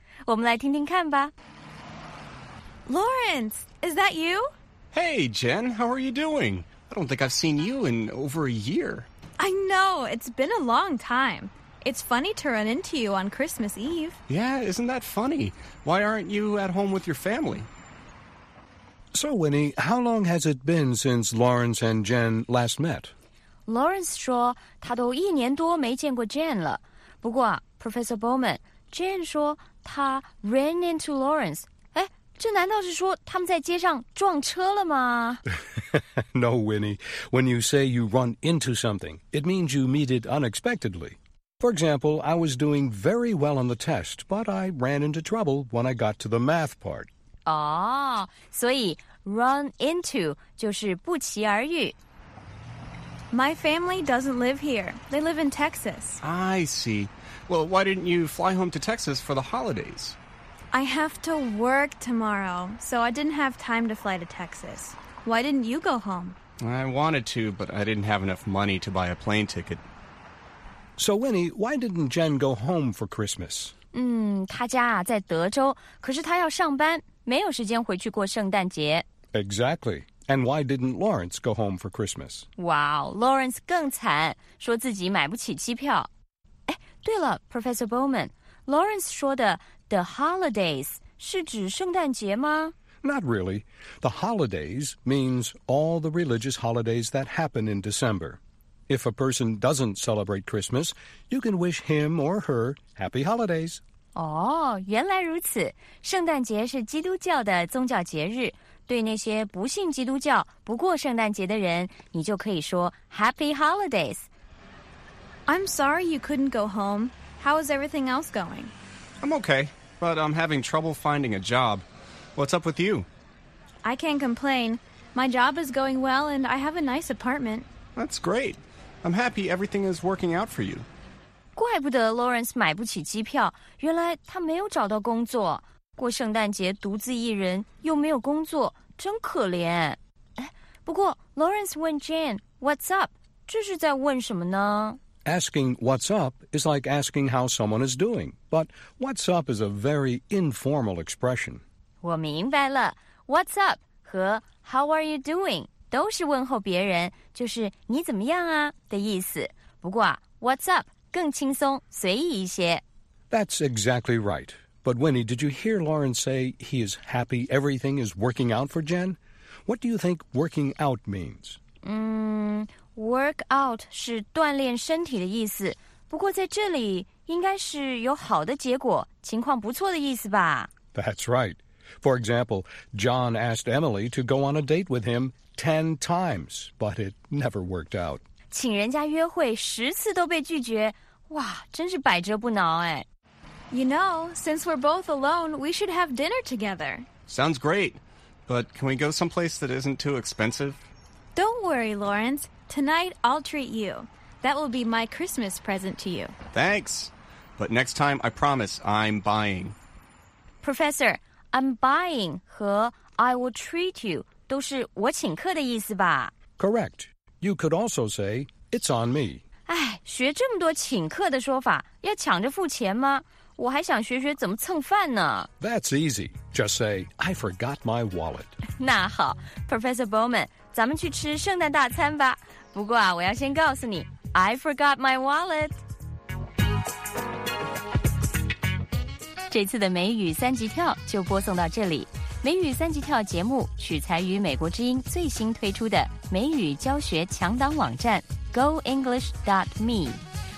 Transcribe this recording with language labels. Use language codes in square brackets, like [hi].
[zh] 我们来听听看吧。 [en] Lawrence, is that you? Hey, Jen, how are you doing? I don't think I've seen you in over a year. I know, it's been a long time. It's funny to run into you on Christmas Eve. Yeah, isn't that funny? Why aren't you at home with your family? So, Winnie, how long has it been since Lawrence and Jen last met? [zh] Lawrence 说他都一年多没见过 Jen 了。不过啊 ,Professor Bowman, Jen 说他 [en] ran into [zh] Lawrence. 哎，这难道是说他们在街上撞车了吗？ [en] No, Winnie. When you say you run into something, it means you meet it unexpectedly. For example, I was doing very well on the test, but I ran into trouble when I got to the math part. Oh, [zh] 所以 [en] run into [zh] 就是不期而遇。 [en] My family doesn't live here. They live in Texas. I see. Well, why didn't you fly home to Texas for the holidays? I have to work tomorrow, so I didn't have time to fly to Texas. Why didn't you go home? I wanted to, but I didn't have enough money to buy a plane ticket. So, Winnie, why didn't Jen go home for Christmas? [zh] 她家啊在德州，可是她要上班，没有时间回去过圣诞节。 [en] Exactly. And why didn't Lawrence go home for Christmas? [zh] Wow, Lawrence 更惨，说自己买不起机票。哎，对了 ,Professor Bowman, Lawrence 说的 [en] the holidays [zh] 是指圣诞节吗？ [en] Not really. The holidays means all the religious holidays that happen in December. If a person doesn't celebrate Christmas, you can wish him or her happy holidays. Oh, [zh] 原来如此。圣诞节是基督教的宗教节日。对那些不信基督教、不过圣诞节的人，你就可以说 [en] happy holidays. I'm sorry you couldn't go home. How is everything else going? I'm okay, but I'm having trouble finding a job. What's up with you? I can't complain. My job is going well, and I have a nice apartment. That's great. I'm happy everything is working out for you. [zh] 怪不得 Lawrence 买不起机票，原来他没有找到工作。过圣诞节独自一人，又没有工作，真可怜。不过 Lawrence 问 Jane, [en] what's up? [zh] 这是在问什么呢？ [en] Asking what's up is like asking how someone is doing, but what's up is a very informal expression. [zh] 我明白了 , [en] what's up [zh] 和 [en] how are you doing? [zh] 都是问候别人，就是你怎么样啊的意思。不过啊 , [en] what's up [zh] 更轻松随意一些。 [en] That's exactly right. But Winnie, did you hear Lawrence say he is happy everything is working out for Jen? What do you think working out means? Work out [zh] 是锻炼身体的意思。不过在这里应该是有好的结果，情况不错的意思吧。 [en] That's right. For example, John asked Emily to go on a date with him,10 times, but it never worked out. [zh] 请人家约会十次都被拒绝，哇，真是百折不挠哎。 [en] You know, since we're both alone, we should have dinner together. Sounds great, but can we go someplace that isn't too expensive? Don't worry, Lawrence. Tonight, I'll treat you. That will be my Christmas present to you. Thanks, but next time, I promise, I'm buying. Professor, I'm buying [zh] 和 [en] I will treat you. [zh] 都是我请客的意思吧 [en] ？Correct. You could also say it's on me. [zh] 哎，学这么多请客的说法，要抢着付钱吗？我还想学学怎么蹭饭呢。 [en] That's easy. Just say I forgot my wallet. [zh] 那好 ，Professor Bowman， 咱们去吃圣诞大餐吧。不过啊，我要先告诉你 ， [en] I forgot my wallet. [zh] 这次的美语三级跳就播送到这里。美语三级跳节目取材于美国之音最新推出的美语教学强档网站 goenglish.me。